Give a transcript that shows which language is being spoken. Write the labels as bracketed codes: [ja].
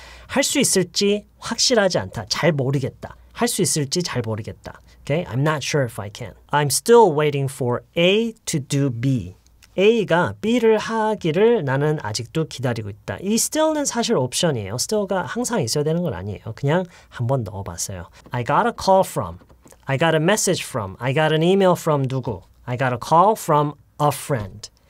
[ko] 할 수 있을지 확실하지 않다. 잘 모르겠다. 할 수 있을지 잘 모르겠다. [en] Okay? I'm not sure if I can. I'm still waiting for A to do B. [ko] A가 B를 하기를 나는 아직도 기다리고 있다. 이 still는 사실 옵션이에요. still가 항상 있어야 되는 건 아니에요. 그냥 한번 넣어봤어요. [en] I got a call from. I got a message from. I got an email from 누구. I got a call from a friend.